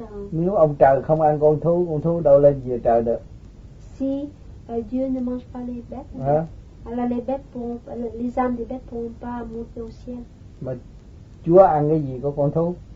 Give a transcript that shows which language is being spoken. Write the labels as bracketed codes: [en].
[vi] Nếu ông trời không ăn con thú đâu lên về trời được. [fr] Si Dieu ne mange pas les bêtes, alors les bêtes pourront, les âmes des bêtes pourront pas monter au ciel. [vi] Mà Chúa ăn cái gì của con thú?